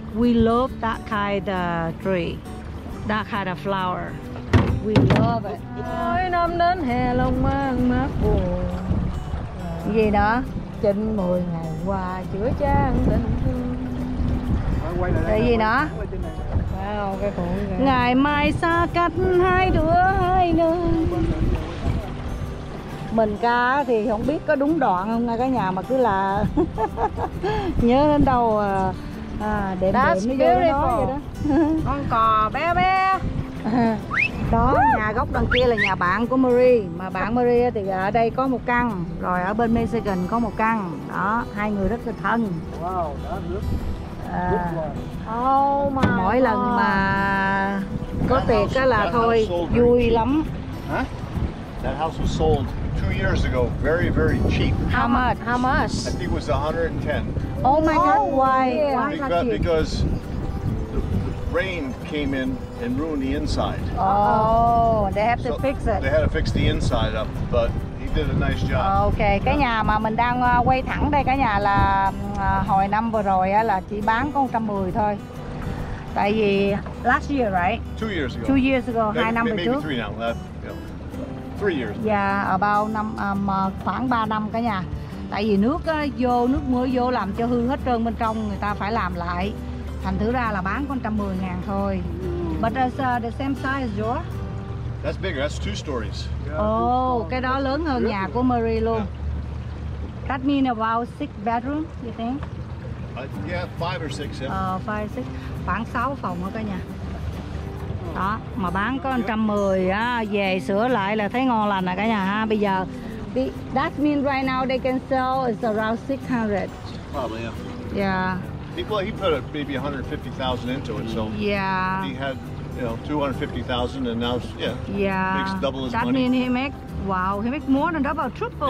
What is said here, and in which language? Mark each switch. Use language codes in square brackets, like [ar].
[en] We love that kind of tree, that kind of flower. We love it. [vi] Mỗi năm đến hè long mang mát buồn. Gì đó? Chín mười ngày qua chữa trang tình thương. Gì đó? Wow, cái khổ. Ngày mai xa cách hai đứa hai nơi. Mình ca thì không biết có đúng đoạn không nha cả nhà mà cứ là nhớ đến đâu đệm đệm nó vô đó vậy đó. Con cò bé bé. Đó nhà gốc đằng kia là nhà bạn của Marie, mà bạn Marie thì ở đây có một căn, rồi ở bên Michigan có một căn. Đó, hai người rất là thân. Wow, đó nước. À. Mỗi lần mà có tiệc á là thôi vui lắm. [en] That house was sold 2 years ago, very, very cheap. How much? I think it was 110. Oh my God, why? Because the rain came in and ruined the inside. Oh, they have to fix it. They had to fix the inside up, but he did a nice job. [vi] Okay, cái nhà mà mình đang quay thẳng đây cả nhà là hồi năm vừa rồi là chỉ bán có 110 thôi. Tại vì [en] last year, right? 2 years ago. 2 years ago, maybe, [vi] 2 năm [en] maybe [vi] trước. [en] Maybe 3 now. 3 years. Yeah, about [vi] khoảng 3 năm cả nhà. Tại vì nước vô, nước mưa vô làm cho hư hết trơn bên trong, người ta phải làm lại. Thành thử ra là bán có 110 ngàn thôi. [en] But it's the same size as yours? That's bigger, that's 2 stories. [vi] Yeah, oh, cái đó lớn hơn nhà của Marie luôn. [en] Yeah. That mean about 6 bedroom, you think? Yeah, 5 or 6, yeah. 5 or 6. [vi] Khoảng 6 phòng thôi cả nhà. Đó, mà bán có 110 á, về sửa lại là thấy ngon lành rồi cả nhà ha. Bây giờ [en] that mean right now they can sell is around 600. Probably, yeah. Yeah. Well, he put maybe 150,000 into it, so yeah. He had, you know, 250,000, and now, yeah, yeah, makes double his that money. That means he make, wow, he make more than double, triple,